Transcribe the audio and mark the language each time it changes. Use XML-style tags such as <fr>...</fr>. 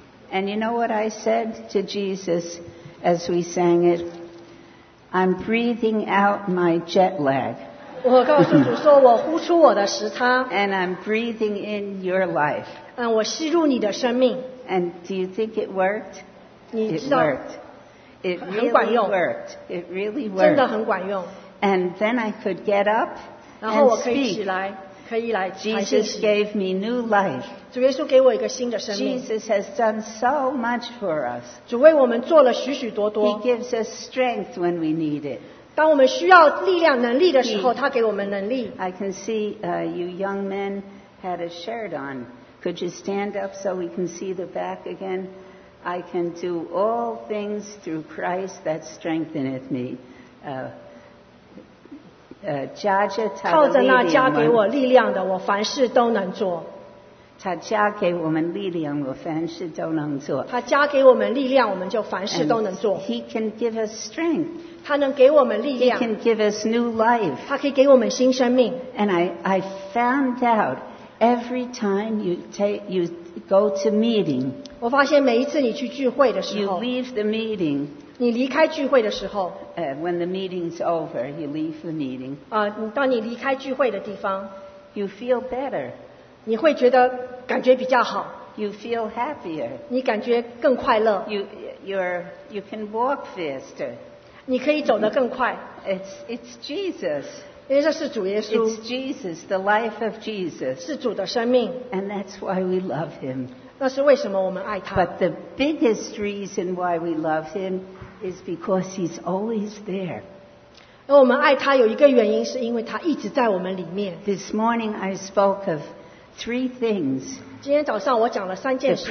<en>And you know what I said to Jesus as we sang it? I'm breathing out my jet lag.</en> <zh>我告诉主说我呼出我的时差。</zh> <en>And I'm breathing in your life.</en> <zh>我吸入你的生命。</zh> <en>And do you think it worked?</en> <zh>你知道。</zh> <en>It worked. It really worked. It really worked.</en> <zh>真的很管用。</zh> <en>And then I could get up and speak. Jesus gave me new life.</en> <zh>主耶稣给我一个新的生命。</zh> <en>Jesus has done so much for us.</en> <zh>主为我们做了许许多多。</zh> <en>He gives us strength when we need it.</en> <zh>当我们需要力量能力的时候，他给我们能力。</zh> <en>I can see, you young men had a shirt on. Could you stand up so we can see the back again? I can do all things through Christ that strengtheneth me. Jaja</en> <zh>靠着那加给我力量的，我凡事都能做。他加给我们力量，我凡事都能做。他加给我们力量，我们就凡事都能做。</zh> <en>And、he can give us strength.</en> <zh>他能给我们力量。</zh> <en>He can give us new life.</en> <zh>他可以给我们新生命。</zh> <en>And I found out every time you go to meeting.</en> <zh>我发现每一次你去聚会的时候</zh> <en>，you leave the meeting.</en> <zh>你离开聚会的时候</zh> <en>，when the meeting's over, you leave the meeting.</en> <zh>当你离开聚会的地方</zh> <en>，you feel better.</en> <zh>你会觉得感觉比较好。</zh> <en>You feel happier.</en> <zh>你感觉更快乐。</zh> <en>You can walk faster.</en> <zh>你可以走得更快。</zh> <en>It's Jesus.</en> <zh>因为这是主耶稣。</zh> <en>It's Jesus, the life of Jesus.</en> <zh>是主的生命。</zh> <en>And that's why we love him.</en> <zh>那是为什么我们爱他。</zh> <en>But the biggest reason why we love him is because he's always there.</en> <zh>而我们爱他有一个原因是因为他一直在我们里面。</zh> <en>This morning I spoke of three things.</en> <zh>今天早上我讲了三件事。</zh>